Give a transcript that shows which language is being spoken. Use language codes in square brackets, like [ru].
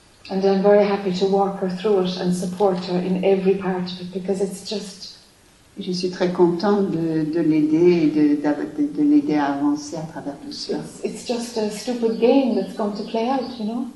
[en] And I'm very happy to walk her through it and support her in every part of it because it's just. [fr] Je suis très contente de l'aider et de l'aider à avancer à travers tout cela. [en] It's just a stupid game that's going to play out, you know.